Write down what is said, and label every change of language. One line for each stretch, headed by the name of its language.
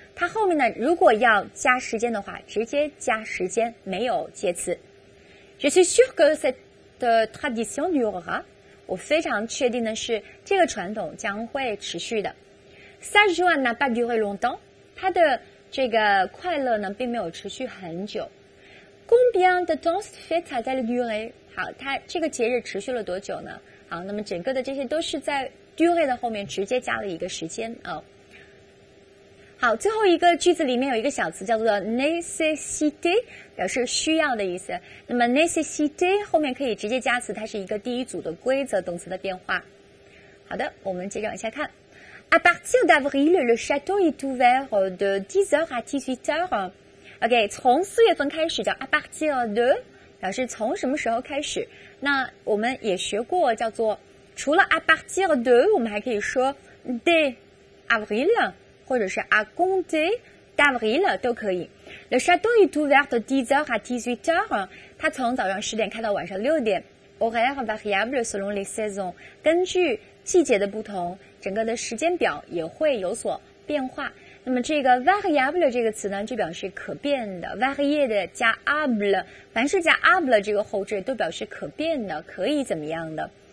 Chinese: 它后面呢，如果要加时间的话，直接加时间，没有介词。
French: Je suis sûr que cette tradition durera。
Chinese: 我非常确定的是，这个传统将会持续的。
French: Cinq jours n'a pas duré longtemps。
Chinese: 它的这个快乐呢，并没有持续很久。
French: Combien de temps cette fête a-t-elle duré？
Chinese: 好，它这个节日持续了多久呢？好，那么整个的这些都是在 duré 的后面直接加了一个时间啊。好，最后一个句子里面有一个小词叫做 nécessité， 表示需要的意思。那么 nécessité 后面可以直接加词，它是一个第一组的规则动词的变化。好的，我们接着往下看。
French: À partir d'avril, le château est ouvert de 10h à 18h.
Chinese: OK, 从四月份开始叫
French: à partir de，
Chinese: 表示从什么时候开始。那我们也学过叫做除了 à partir de， 我们还可以说
French: dès avril，
Chinese: 或者是
French: à compter d'avril
Chinese: 都可以。
French: Le château est ouvert de 10h à 18h.
Chinese: 它从早上十点开到晚上六点。
French: Horaire variable selon les saisons，
Chinese: 根据季节的不同，整个的时间表也会有所变化。那么这个 variable 这个词呢，就表示可变的。 varier 的加 able， 凡是加 able 这个后缀，都表示可变的，可以怎么样的。